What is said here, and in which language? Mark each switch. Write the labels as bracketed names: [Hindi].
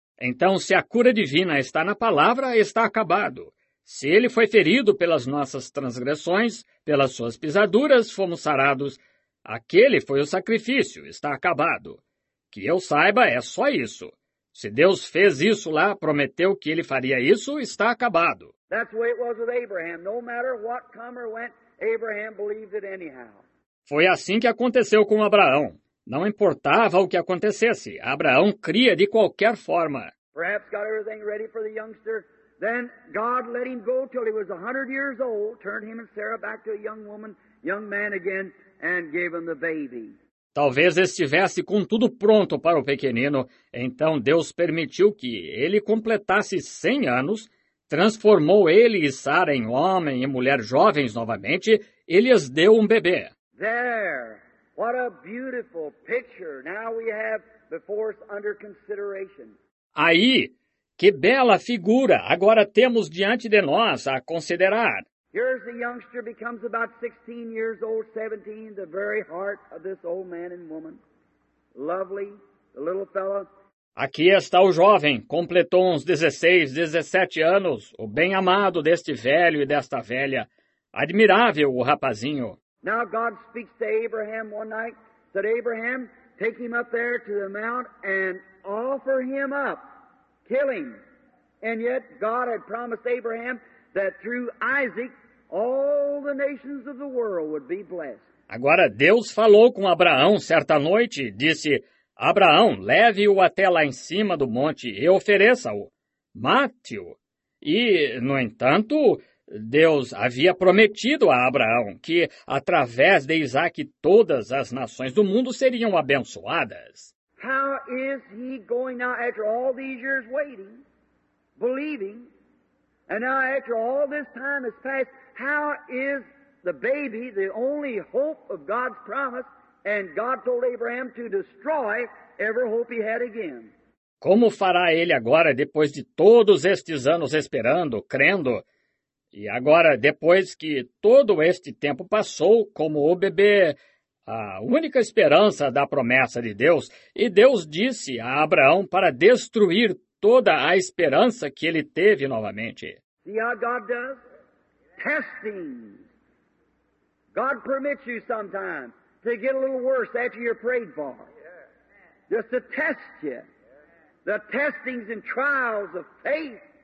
[Portuguese] Então, se a cura divina está na palavra, está acabado. Se Ele foi ferido pelas nossas transgressões, pelas suas pisaduras, fomos sarados. Aquele foi o sacrifício, está acabado. Que eu saiba, é só isso. Se Deus fez isso lá, prometeu que Ele faria isso, está acabado. [English] That's the way it was with Abraham. No matter what come or went, Abraham believed it anyhow. [Portuguese] Foi assim que aconteceu com Abraão. Não importava o que acontecesse, Abraão cria de qualquer forma. [English] Perhaps got everything ready for the youngster. Then God let him go till he was 100 years old, turned him and Sarah back to a young woman, young man again, and gave him the baby. [Portuguese] Talvez estivesse com tudo pronto para o pequenino, então Deus permitiu que ele completasse 100 anos, transformou ele e Sara em homem e mulher jovens novamente, e lhes deu um bebê. [English] There, what a beautiful picture now we have before us under consideration. [Portuguese] Aí, que bela figura agora temos diante de nós a considerar. [English] Here's the youngster becomes about 16 years old, 17, the very heart of this old man and woman. Lovely, the little fellow. [Portuguese] Aqui está o jovem, completou uns 16, 17 anos, o bem-amado deste velho e desta velha. Admirável o rapazinho. [English] Now God speaks to Abraham one night, said, Abraham, take him up there to the mount and offer him up, kill him. And yet God had promised Abraham that through Isaac, all the nations of the world would be blessed. [Portuguese] Agora, Deus falou com Abraão certa noite, disse, Abraão, leve-o até lá em cima do monte e ofereça-o, mate-o. E, no entanto, Deus havia prometido a Abraão que, através de Isaac, todas as nações do mundo seriam abençoadas. [English] How is he going now, after all these years waiting, believing, and now, after all this time has passed, how is the baby, the only hope of God's promise, and God told Abraham to destroy every hope he had again? [Portuguese] Como fará ele agora, depois de todos estes anos esperando, crendo, e agora, depois que todo este tempo passou, como o bebê, a única esperança da promessa de Deus, e Deus disse a Abraão para destruir toda a esperança que ele teve novamente. [English] See how God does? Testing. God permits you sometimes to get a little worse after you're prayed for. Just to test you. The testings and trials of faith.